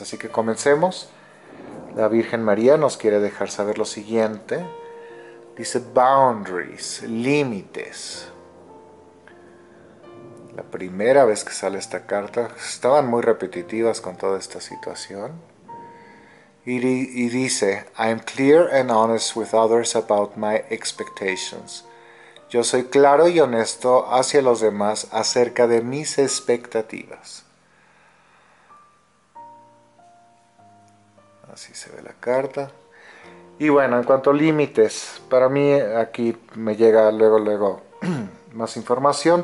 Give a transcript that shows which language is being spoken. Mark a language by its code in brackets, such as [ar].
[es] Así que comencemos. La Virgen María nos quiere dejar saber lo siguiente. Dice boundaries, límites. La primera vez que sale esta carta, estaban muy repetitivas con toda esta situación. Y dice, [en] I'm clear and honest with others about my expectations. [es] Yo soy claro y honesto hacia los demás acerca de mis expectativas. Así se ve la carta. Y bueno, en cuanto a límites, para mí aquí me llega luego, luego más información.